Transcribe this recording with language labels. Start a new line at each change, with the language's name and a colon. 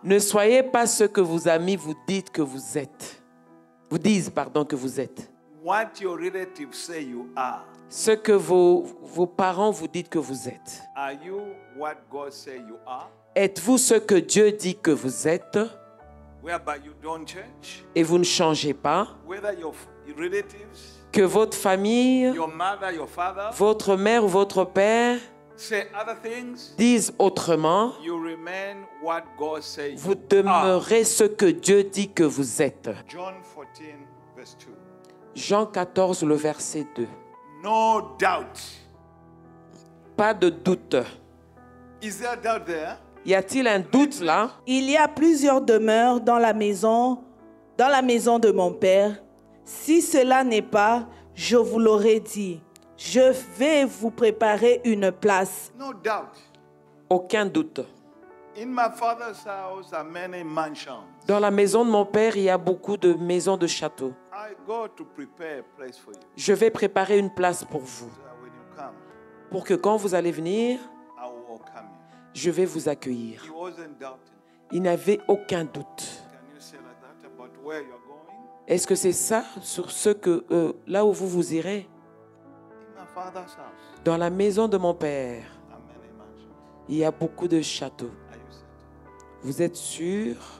French: Ne soyez pas ce que vos amis vous disent que vous êtes. Vous disent pardon que vous êtes.
English: What your relatives say you are.
French: Ce que vos parents vous disent que vous êtes.
English: Are you what God say you are?
French: Êtes-vous ce que Dieu dit que vous êtes?
English: Whereby you don't change.
French: Et vous ne changez pas.
English: Whether your relatives.
French: Que votre famille,
English: your mother, your father,
French: votre mère ou votre père
English: say other things,
French: disent autrement,
English: you remain what God says
French: vous demeurez ce que Dieu dit que vous êtes.
English: John 14, verse 2.
French: Jean 14, le verset 2.
English: No doubt.
French: Pas de doute.
English: Is there a doubt there?
French: Y a-t-il un doute là? Il y a plusieurs demeures dans la maison de mon père. Si cela n'est pas, je vous l'aurais dit. Je vais vous préparer une place.
English: No doubt.
French: aucun doute.
English: In my father's house are many mansions.
French: Dans la maison de mon père, il y a beaucoup de maisons de châteaux.
English: I go to prepare a place for you.
French: Je vais préparer une place pour vous.
English: When you come,
French: pour que quand vous allez venir,
English: I will welcome you.
French: Je vais vous accueillir.
English: He wasn't doubting.
French: Il n'avait aucun doute.
English: Can you say like that about where you're going?
French: Est-ce que c'est ça sur ce que là où vous irez?
English: In my father's house.
French: Dans la maison de mon père, il y a beaucoup de châteaux. Vous êtes sûr?